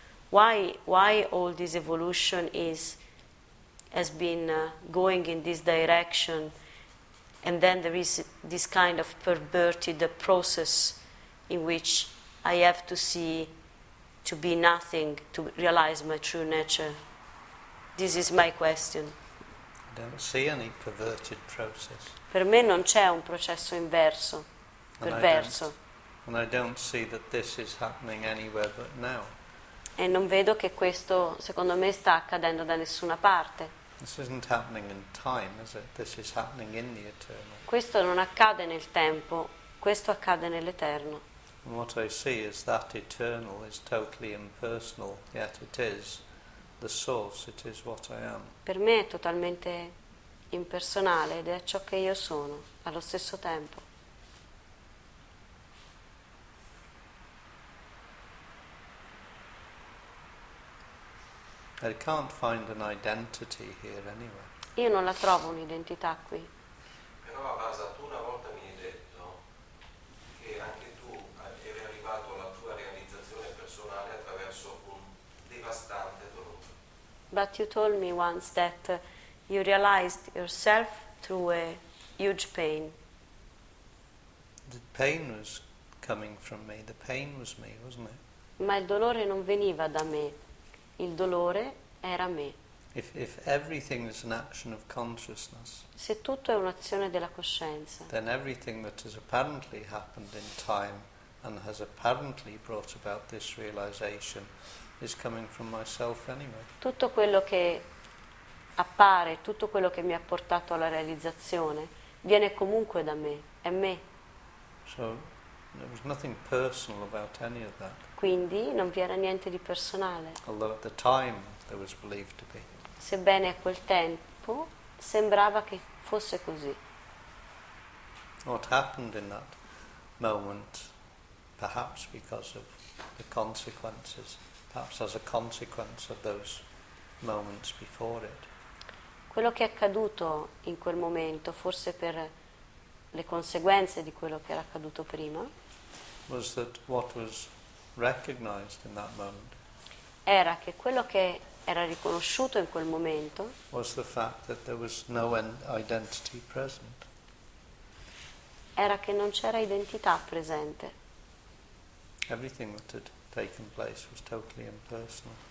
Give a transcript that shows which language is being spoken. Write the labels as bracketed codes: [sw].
[en] Why all this evolution has been going in this direction, and then there is this kind of perverted process in which I have to see to be nothing to realize my true nature? This is my question. I don't see any perverted process. [it] Per me non c'è un processo inverso, perverso. [en] And I don't see that this is happening anywhere but now. [it] E non vedo che questo, secondo me, sta accadendo da nessuna parte. [en] This isn't happening in time, is it? This is happening in the eternal. [it] Questo non accade nel tempo, questo accade nell'eterno. [en] And what I see is that eternal is totally impersonal, yet it is. The source, it is what I am. [it] Per me è totalmente impersonale ed è ciò che io sono allo stesso tempo. [en] I can't find an identity here anyway. [it] Io non la trovo un'identità qui. Però Avasa, tu una volta mi hai detto che anche tu eri arrivato alla tua realizzazione personale attraverso un devastante. [en] But you told me once that you realized yourself through a huge pain. The pain was coming from me. The pain was me, wasn't it? [it] Ma il dolore non veniva da me. Il dolore era me. [en] If everything is an action of consciousness, [it] se tutto è un'azione della coscienza, [en] then everything that has apparently happened in time and has apparently brought about this realization is coming from myself anyway. [it] Tutto quello che appare, tutto quello che mi ha portato alla realizzazione, viene comunque da me, è me. [en] So there was nothing personal about any of that. [it] Quindi non vi era niente di personale. [en] Although at the time there was believed to be. [it] Sebbene a quel tempo sembrava che fosse così. [en] What happened in that moment, perhaps because of the consequences. Perhaps as a consequence of those moments before it. [it] Quello che è accaduto in quel momento, forse per le conseguenze di quello che era accaduto prima, [en] was that what was recognized in that moment? [it] Era che quello che era riconosciuto in quel momento [en] was the fact that there was no identity present. [it] Era che non c'era identità presente. [en] Everything that had taken place was totally impersonal.